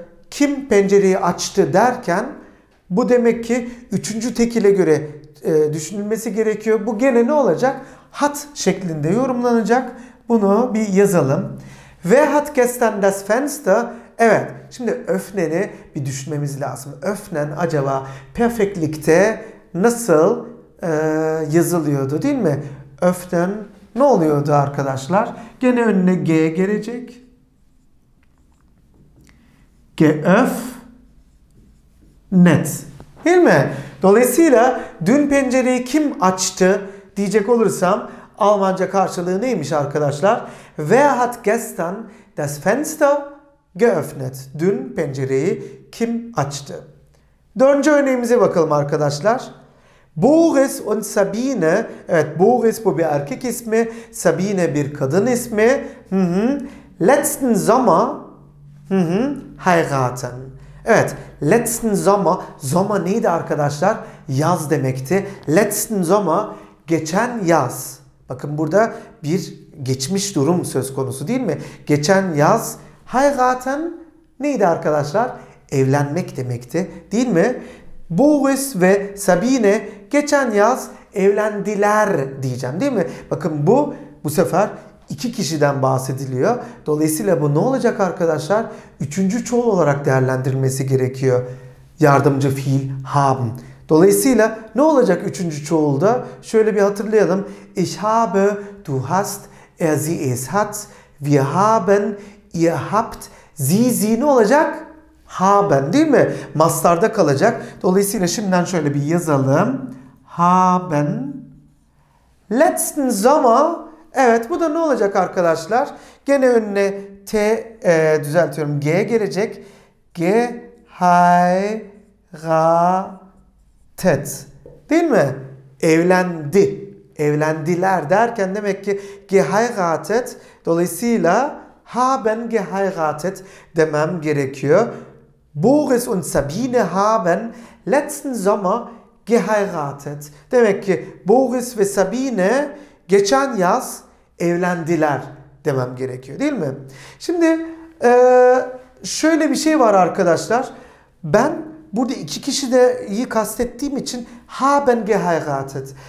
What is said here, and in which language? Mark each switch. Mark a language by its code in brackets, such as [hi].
[tr] Kim pencereyi açtı derken bu demek ki üçüncü tekile göre düşünülmesi gerekiyor. Bu gene ne olacak? Hat şeklinde yorumlanacak. Bunu bir yazalım. [de] Wer hat gestern das Fenster? [tr] Evet, şimdi öffnen'i bir düşünmemiz lazım. Öffnen acaba perfektlikte nasıl yazılıyordu değil mi? Öffnen ne oluyordu arkadaşlar? Gene önüne G gelecek. Geöffnet. Değil mi? Dolayısıyla dün pencereyi kim açtı diyecek olursam Almanca karşılığı neymiş arkadaşlar? [de] Wer hat gestern das Fenster geöffnet? [tr] Dün pencereyi kim açtı? Dördüncü örneğimize bakalım arkadaşlar. Boris und Sabine, evet, Boris bu bir erkek ismi, Sabine bir kadın ismi. [de] Letzten Sommer heiraten. [tr] Evet, letzten Sommer, Sommer neydi arkadaşlar? Yaz demekti. Letzten Sommer, geçen yaz. Bakın burada bir geçmiş durum söz konusu değil mi? Geçen yaz heiraten neydi arkadaşlar? Evlenmek demekti değil mi? Boris ve Sabine geçen yaz evlendiler diyeceğim değil mi? Bakın bu sefer iki kişiden bahsediliyor. Dolayısıyla bu ne olacak arkadaşlar? Üçüncü çoğul olarak değerlendirilmesi gerekiyor. Yardımcı fiil haben. Dolayısıyla ne olacak üçüncü çoğulda? Şöyle bir hatırlayalım. [de] Ich habe, du hast, er, sie, es hat, wir haben, ihr habt, sie [tr] ne olacak? Haben değil mi? Mastarda kalacak. Dolayısıyla şimdiden şöyle bir yazalım. Haben. Letzten Sommer. Evet, bu da ne olacak arkadaşlar? Gene önüne T düzeltiyorum. G gelecek. Geheiratet. Değil mi? Evlendi. Evlendiler derken demek ki geheiratet. Dolayısıyla haben geheiratet demem gerekiyor. [de] Boris und Sabine haben letzten Sommer geheiratet. [tr] Demek ki Boris ve Sabine geçen yaz evlendiler demem gerekiyor değil mi? Şimdi şöyle bir şey var arkadaşlar. Ben burada iki kişi de iyi kastettiğim için haben geheiratet.